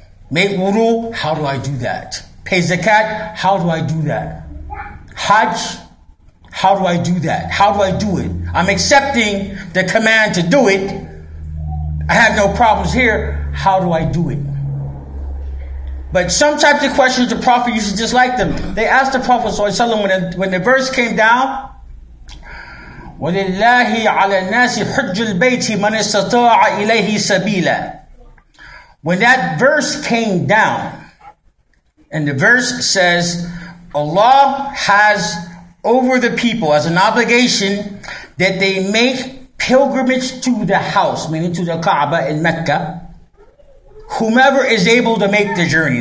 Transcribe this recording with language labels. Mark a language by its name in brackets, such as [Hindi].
[English] Make wudu, how do I do that? Pay zakat, how do I do that? Hajj, how do I do that? How do I do it? I'm accepting the command to do it. I have no problems here. How do I do it? But some types of questions the Prophet used to dislike them. They asked the Prophet ﷺ when the verse came down, [Arabic] وَلِلَّهِ عَلَى النَّاسِ حُجُّ الْبَيْتِ مَنِ اسْتَطَاعَ إِلَيْهِ سَبِيلًا. [English] When that verse came down, and the verse says, Allah has over the people as an obligation that they make pilgrimage to the house, meaning to the Kaaba in Mecca, whomever is able to make the journey.